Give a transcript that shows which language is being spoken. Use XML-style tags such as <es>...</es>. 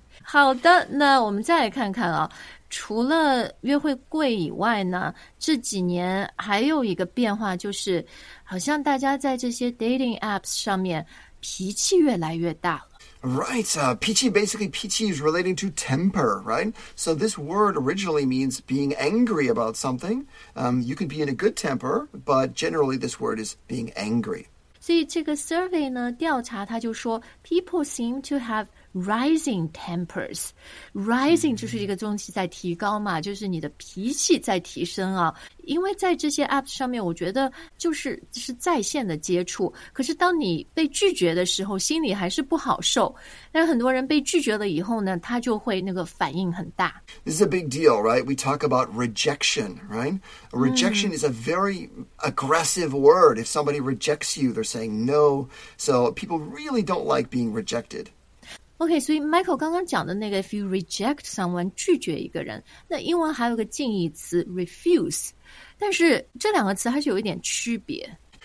<zh>好的，那我们再来看看啊，除了约会贵以外呢，这几年还有一个变化，就是好像大家在这些 dating apps 上面脾气越来越大了。</zh> <en>Right, peachy is relating to temper, right? So this word originally means being angry about something. You can be in a good temper, but generally this word is being angry.</en> <zh>所以这个 survey 呢，调查他就说</zh> <en>people seem to have rising tempers.</en> <zh>Rising 就是一个东西在提高嘛，就是你的脾气在提升啊。因为在这些 apps 上面，我觉得就是在线的接触，可是当你被拒绝的时候，心里还是不好受。但很多人被拒绝了以后呢，他就会那个反应很大。</zh> <en>This is a big deal, right? We talk about rejection, right? Rejection is a very aggressive word. If somebody rejects you, they're saying no. So people really don't like being rejected.</en> <zh>OK, 所以 Michael 刚刚讲的那个</zh> <en>if you reject someone,</en> <zh>拒绝一个人，那英文还有个近义词 refuse, 但是这两个词还是有一点区别。</zh>